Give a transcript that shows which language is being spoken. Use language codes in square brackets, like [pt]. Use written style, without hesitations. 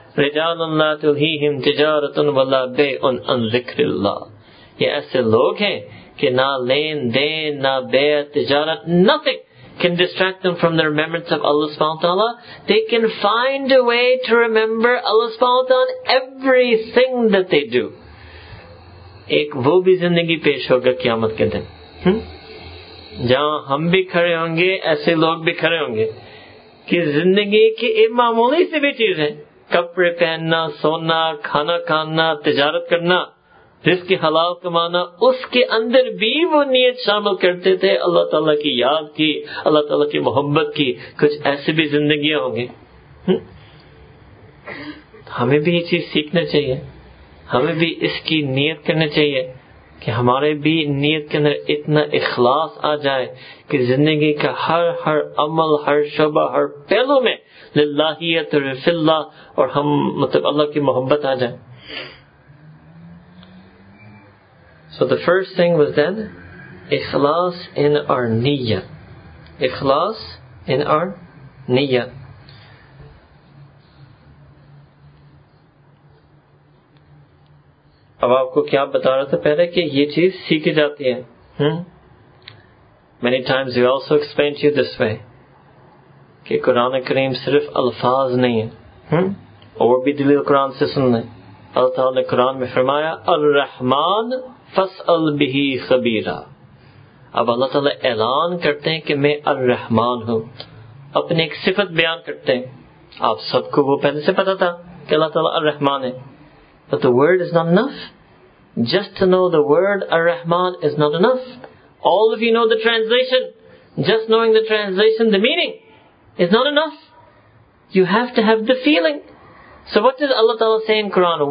[ar] رِجَالٌ لَا تُلْهِيهِمْ تِجَارَةٌ وَلَا بَيْءٌ عَنْ ذِكْرِ اللَّهِ [ur] یہ ایسے لوگ ہیں کہ نہ لین دین نہ بیع تجارت [en] nothing can distract them from the remembrance of Allah subhanahu wa ta'ala. They can find a way to remember Allah subhanahu wa ta'ala on everything that they do. [ur] ایک وہ بھی زندگی پیش ہوگا قیامت کے دن جہاں ہم بھی کھڑے ہوں گے ایسے لوگ بھی کھڑے ہوں گے کہ زندگی کی ایک معمولی سے بھی چیز ہے کپڑے پہننا سونا کھانا کھانا تجارت کرنا رزق کی حلال کمانا اس کے اندر بھی وہ نیت شامل کرتے تھے اللہ تعالیٰ کی یاد کی اللہ تعالیٰ کی محبت کی کچھ ایسے بھی زندگیاں ہوں گی ہمیں بھی یہ چیز سیکھنا چاہیے ہمیں بھی اس کی نیت کرنا چاہیے کہ ہمارے بھی نیت کے اندر اتنا اخلاص آ جائے کہ زندگی کا ہر ہر عمل ہر شعبہ ہر پہلو میں للہیت اور فی اللہ اور ہم مطلب اللہ کی محبت آ جائے. [en] So the first thing was then ikhlas in our niyyah. Ikhlas in our niyyah. [ur] اب آپ کو کیا بتا رہا تھا پہلے کہ یہ چیز سیکھی جاتی ہے. [en] Many times we also explained to you this way [ur] کہ قرآن کریم صرف الفاظ نہیں ہے. اور بھی دلیل قرآن سے سن لیں. اللہ تعالیٰ نے قرآن میں فرمایا [ar] الرحمن فاسأل به خبیرا. [ur] اب اللہ تعالیٰ اعلان کرتے ہیں کہ میں الرحمن ہوں, اپنی ایک صفت بیان کرتے ہیں. آپ سب کو وہ پہلے سے پتا تھا کہ اللہ تعالیٰ الرحمن ہے. [en] But the word is not enough. Just to know the word Ar-Rahman is not enough. All of you know the translation. Just knowing the translation, the meaning, is not enough. You have to have the feeling. So what did Allah Ta'ala say in Quran?